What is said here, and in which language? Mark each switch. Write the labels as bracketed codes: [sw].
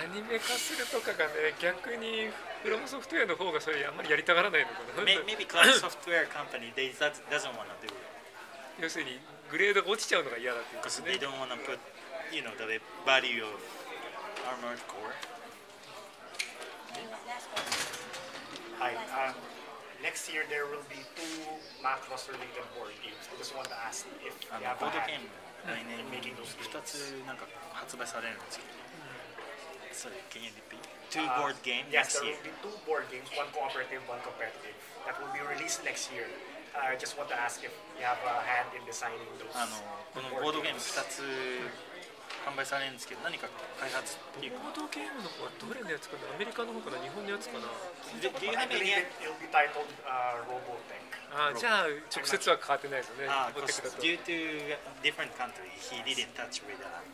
[ja] アニメ化するとかがね、逆にフロムソフトウェアの方がそれあんまりやりたがらないのかな。 [en] Maybe Cloud Software Company they doesn't wanna do it. [ja] 要するにグレードが落ちちゃうのが嫌だっていうか、ね。 [en] Because they don't wanna put, you know, the value of Armored Core. Hi. Next year there will be two Macross related board games. I just want to ask if you have a hand. [ja] 来年2つなんか発売されるんですけど、 [en] Sorry, can you repeat? Two board games yes, next year? Yes, there will be two board games, one cooperative, one competitive, that will be released next year. I just want to ask if you have a hand in designing those. [ja] このボードゲーム2つ販売されるんですけど、何か開発っていうか。ボードゲームの方はどれのやつかな、アメリカの方かな、日本のやつかな。 [en] Do you have any? It will be titled Robotech. [ja] ああ、じゃあ直接は変わってないですよね。ああ、 [en] Due to different country, he didn't touch with the language.